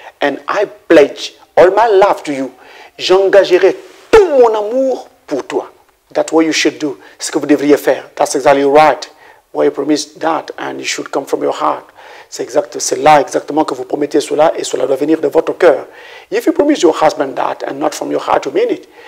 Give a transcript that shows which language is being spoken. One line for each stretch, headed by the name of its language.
English: And I pledge all my love to you.
French: J'engagerai tout mon amour pour toi.
English: That's what you should do.
French: Ce que vous devriez faire.
English: That's exactly right. What you promise that and it should come from your heart.
French: C'est là exactement que vous promettez cela et cela doit venir de votre cœur.
English: If you promise your husband that and not from your heart, you mean it.